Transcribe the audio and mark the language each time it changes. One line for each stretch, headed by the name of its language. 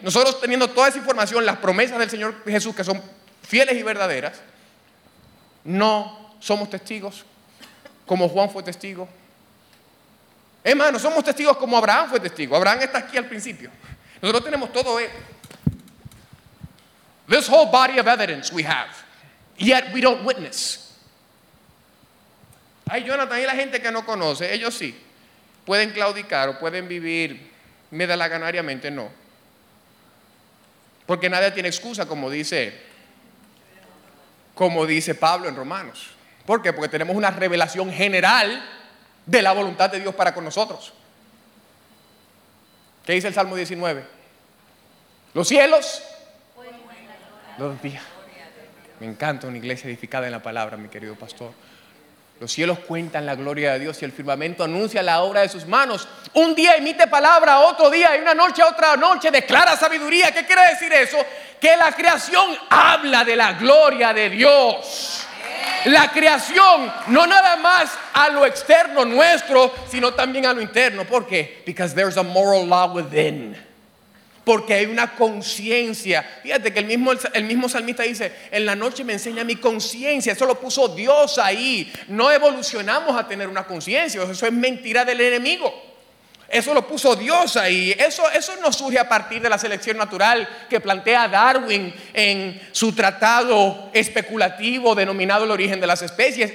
Spanish: Nosotros teniendo toda esa información, las promesas del Señor Jesús que son fieles y verdaderas, no somos testigos como Juan fue testigo. Es más, no somos testigos como Abraham fue testigo. Abraham está aquí al principio. Nosotros tenemos todo esto.
English: This whole body of evidence we have, yet we don't witness.
Spanish: Ay, Jonathan, y la gente que no conoce, ellos sí. Pueden claudicar o pueden vivir medalaganariamente, no. Porque nadie tiene excusa, como dice Pablo en Romanos. ¿Por qué? Porque tenemos una revelación general de la voluntad de Dios para con nosotros. ¿Qué dice el Salmo 19? Los cielos. Los días. Me encanta una iglesia edificada en la palabra, mi querido pastor. Los cielos cuentan la gloria de Dios y el firmamento anuncia la obra de sus manos. Un día emite palabra, otro día y una noche a otra noche declara sabiduría. ¿Qué quiere decir eso? Que la creación habla de la gloria de Dios. La creación, no nada más a lo externo nuestro, sino también a lo interno. ¿Por qué?
English: Because there's a moral law within.
Spanish: Porque hay una conciencia. Fíjate que el mismo salmista dice, en la noche me enseña mi conciencia. Eso lo puso Dios ahí. No evolucionamos a tener una conciencia. Eso es mentira del enemigo. Eso lo puso Dios ahí. Eso no surge a partir de la selección natural que plantea Darwin en su tratado especulativo denominado El origen de las especies.